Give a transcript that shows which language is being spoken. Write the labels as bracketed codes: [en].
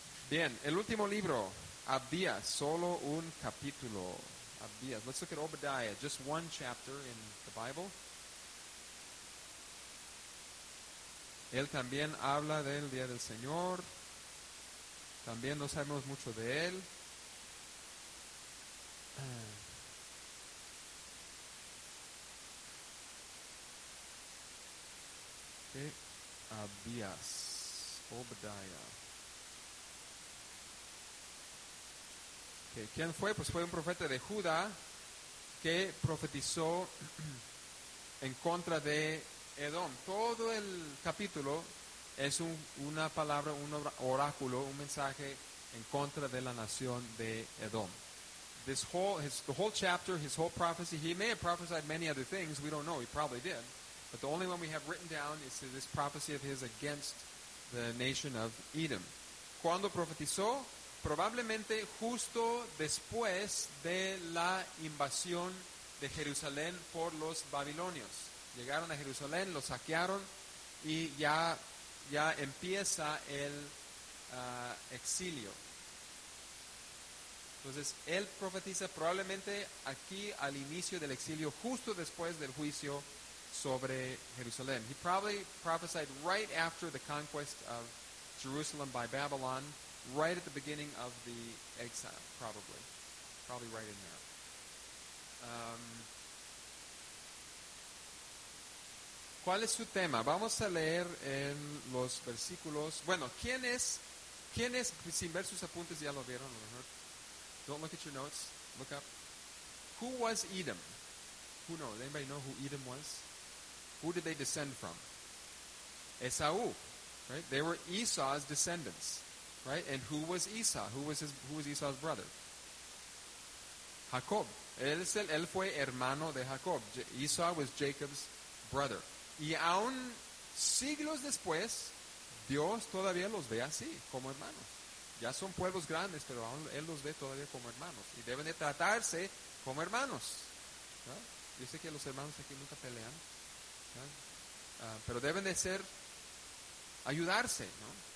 [es] Bien, el último libro, Abdías, solo un capítulo. Abdias. [en] Let's look at Obadiah, just one chapter in the Bible. [es] Él también habla del día del Señor. También no sabemos mucho de él. [en] Okay. Abías, Obadiah. [es] Okay. ¿Quién fue? Pues fue un profeta de Judá que profetizó en contra de Edom. Todo el capítulo es una palabra, un oráculo, un mensaje en contra de la nación de Edom. [en] The whole chapter, his whole prophecy, he may have prophesied many other things, we don't know, he probably did. But the only one we have written down is this prophecy of his against the nation of Edom. [es] ¿Cuándo profetizó? Probablemente justo después de la invasión de Jerusalén por los babilonios. Llegaron a Jerusalén, lo saquearon y ya empieza el exilio. Entonces, él profetiza probablemente aquí al inicio del exilio, justo después del juicio sobre Jerusalén. [en] He probably prophesied right after the conquest of Jerusalem by Babylon, right at the beginning of the exile, probably. Probably right in there. [es] ¿Cuál es su tema? Vamos a leer en los versículos. Bueno, ¿quién es? Sin ver sus apuntes, ya lo vieron, a lo mejor. [en] Don't look at your notes. Look up. Who was Edom? Who knows? Anybody know who Edom was? Who did they descend from? Esau, right? They were Esau's descendants, right? And who was Esau? Who was Esau's brother? Jacob. [es] Él fue hermano de Jacob. [en] Esau was Jacob's brother. [es] Y aún siglos después, Dios todavía los ve así, como hermanos. Ya son pueblos grandes, pero aún él los ve todavía como hermanos. Y deben de tratarse como hermanos. ¿Ya? Yo sé que los hermanos aquí nunca pelean. Pero deben de ser, ayudarse. ¿No?